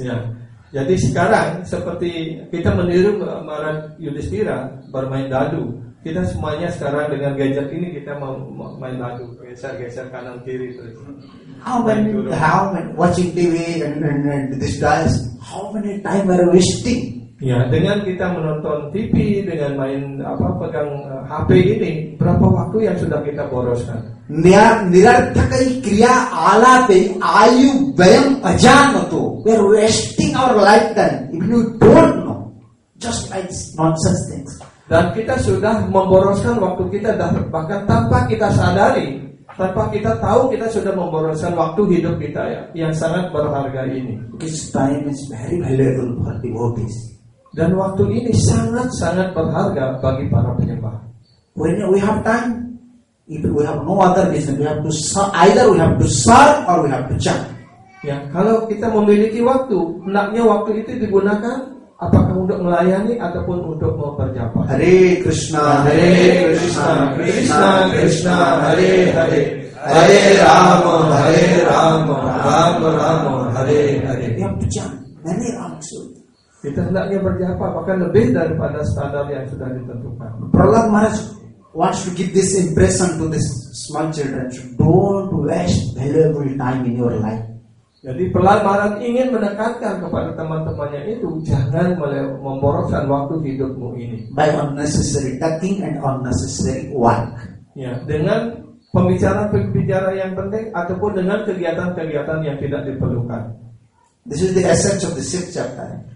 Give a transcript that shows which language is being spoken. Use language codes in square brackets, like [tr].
[id] Yeah. Jadi sekarang seperti kita meniru Maharaj Yudhishthira bermain dadu, kita semuanya sekarang dengan gadget ini kita main dadu, geser-geser kanan kiri terus. [en] How many watching TV and this dies? How many time are wasting? [id] Ya, dengan kita menonton TV, dengan main pegang HP ini, berapa waktu yang sudah kita boroskan? [sa] Nirarthakai kriya alate ayu vayam ajanato. [en] We are wasting our lifetime if you don't know. Just like nonsense things. [id] Dan kita sudah memboroskan waktu kita bahkan tanpa kita sadari, tanpa kita tahu kita sudah memboroskan waktu hidup kita yang sangat berharga ini. [en] Because time is very valuable for devotees. [id] Dan waktu ini sangat-sangat berharga bagi para penyembah. [en] When we have time, if we have no other reason, we have to serve or we have to chant. [id] Ya, kalau kita memiliki waktu, hendaknya waktu itu digunakan apakah untuk melayani ataupun untuk memperjapa. [sa] Hare Krishna, Krishna Krishna, Hare Hare, Hare Rama, Hare Rama, Rama Rama, Hare Hare. [en] We have to chant many rounds. [id] Kita hendaknya berjapa bahkan lebih daripada standar yang sudah ditentukan. [en] Prahlad Maharaj wants to give this impression to this small children, don't waste valuable time in your life. [id] Jadi Prahlad Maharaj ingin menekankan kepada teman-temannya itu, jangan memborokkan waktu hidupmu ini [en] by unnecessary talking and unnecessary work. [id] Ya, dengan pembicaraan-pembicaraan yang penting ataupun dengan kegiatan-kegiatan yang tidak diperlukan. [en] This is the essence of the sixth chapter.